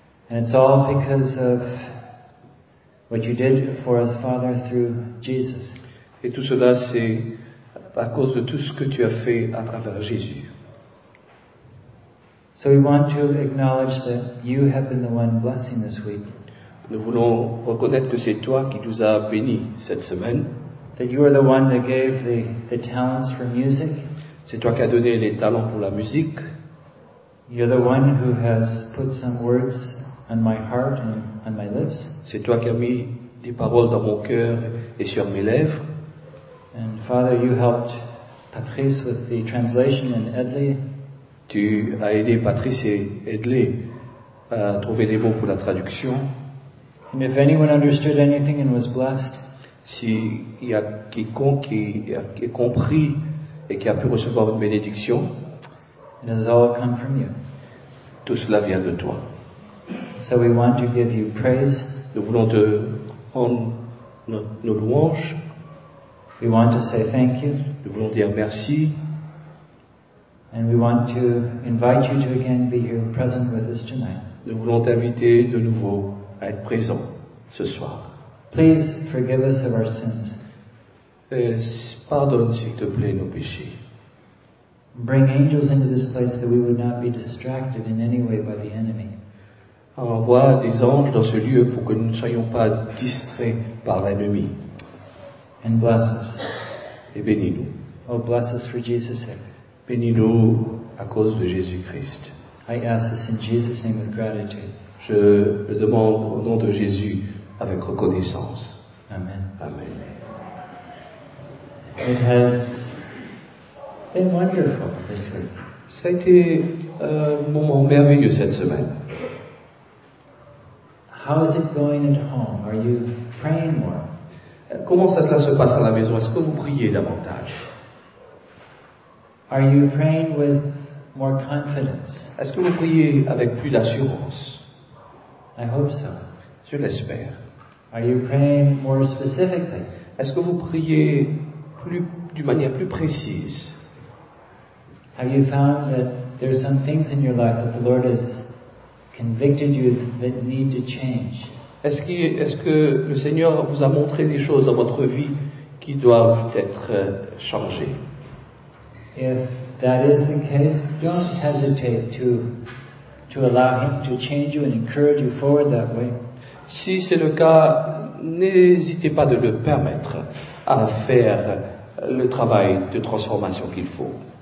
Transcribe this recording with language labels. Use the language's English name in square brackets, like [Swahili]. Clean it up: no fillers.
[English] And it's all because of what you did for us, Father, through Jesus. [French] Et tout cela c'est à cause de tout ce que tu as fait à travers Jésus. [English] So we want to acknowledge that you have been the one blessing this week. [French] Nous voulons reconnaître que c'est toi qui nous as bénis cette semaine. [English] That you are the one that gave the talents for music. [French] C'est toi qui as donné les talents pour la musique. [English] You're the one who has put some words on my heart and on my lips. [French] C'est toi qui as mis des paroles dans mon cœur et sur mes lèvres. [English] And Father, you helped Patrice with the translation in Edley. [French] Tu as aidé Patrice et Edley à trouver des mots pour la traduction. [English] And if anyone understood anything and was blessed, [French] si y a quiconque qui a compris et qui a pu recevoir une bénédiction, [English] it has all come from you. [French] Tout cela vient de toi. [English] So we want to give you praise. [French] Nous voulons te rendre nos louanges. [English] We want to say thank you. [French] Nous voulons dire merci. [English] And we want to invite you to again be here present with us tonight. [French] Nous voulons t'inviter de nouveau à être présent ce soir. [English] Please forgive us of our sins. [French] Pardonne s'il te plaît nos péchés. [English] Bring angels into this place that we would not be distracted in any way by the enemy. [French] Envoie des anges dans ce lieu pour que nous ne soyons pas distraits par l'ennemi. [English] And bless us. [French] Et bénis-nous. [English] Oh, bless us for Jesus' sake. [French] Bénis-nous à cause de Jésus-Christ. [English] I ask this in Jesus' name with gratitude. [French] Je le demande au nom de Jésus avec reconnaissance. [English] Amen. [French] Amen. [English] It has been wonderful this week. [French] Ça a été un moment merveilleux cette semaine. [English] How is it going at home? Are you praying more? [French] Comment cela se passe à la maison? Est-ce que vous priez davantage? [English] Are you praying with more confidence? [French] Est-ce que vous priez avec plus d'assurance? [English] I hope so. [French] Je l'espère. [English] Are you praying more specifically? [French] Est-ce que vous priez d'une manière plus précise? [English] Have you found that there are some things in your life that the Lord has convicted you that need to change? [French] Est-ce que le Seigneur vous a montré des choses dans votre vie qui doivent être changées? [English] If that is the case, don't hesitate to allow Him to change you and encourage you forward that way. [French] Si c'est le cas, n'hésitez pas de le permettre à faire le travail de transformation qu'il faut.